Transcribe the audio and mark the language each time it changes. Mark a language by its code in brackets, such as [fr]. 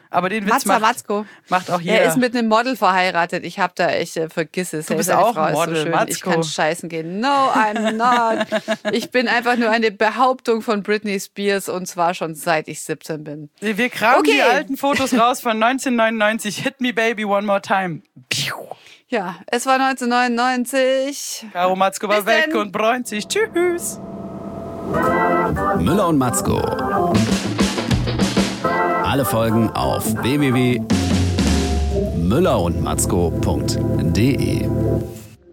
[de] Aber den Witz macht auch jeder. Er ist mit einem Model verheiratet. Ich habe da echt, vergiss es. Du bist auch ein Model, so Matzko. Ich kann scheißen gehen. [en] No, I'm not. [de] Ich bin einfach nur eine Behauptung von Britney Spears und zwar schon seit ich 17 bin. Wir kramen die alten Fotos raus von 1999. [en] Hit me, baby, one more time. [de] Ja, es war 1999. Caro Matzko war weg und bräunt sich. Tschüss. Müller und Matzko. Alle Folgen auf www.müllerundmatzko.de.